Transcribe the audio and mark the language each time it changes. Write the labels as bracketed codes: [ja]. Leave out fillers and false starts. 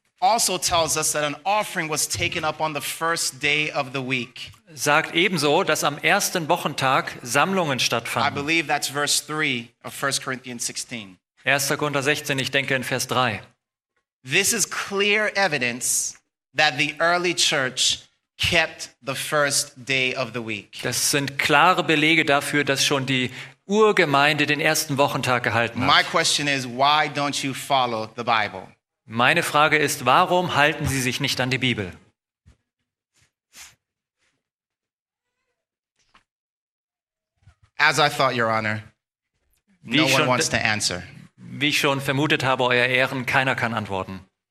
[en] also tells us that an offering was taken up on the first day of the week. [de] Sagt ebenso, dass am ersten Wochentag Sammlungen stattfanden. [en] I believe that's verse 3 of 1 Corinthians 16. [de] 1. Korinther 16, ich denke in Vers 3. [en] This is clear evidence that the early church kept the first day of the week. [de] Das sind klare Belege dafür, dass schon die Urgemeinde den ersten Wochentag gehalten hat. [en] My question is, why don't you follow the Bible? [de] Meine Frage ist, warum halten Sie sich nicht an die Bibel? [en] As I thought, Your Honor, no one wants to answer. [de] Wie ich schon vermutet habe, euer Ehren, keiner kann antworten.